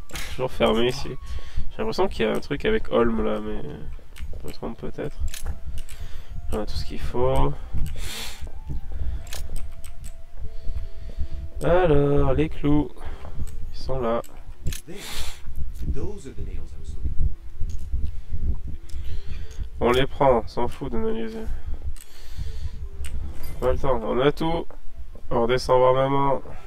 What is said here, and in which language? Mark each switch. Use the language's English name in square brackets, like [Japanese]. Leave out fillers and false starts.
[French] Toujours fermé ici. J'ai l'impression qu'il y a un truc avec Holm là, mais je me trompe peut-être. On a tout ce qu'il faut. Alors, les clous, ils sont là. [English] Those are the nails I was looking for. [French] On les prend, s'en fout d'analyser. Pas le temps, on a tout. On redescend voir maman.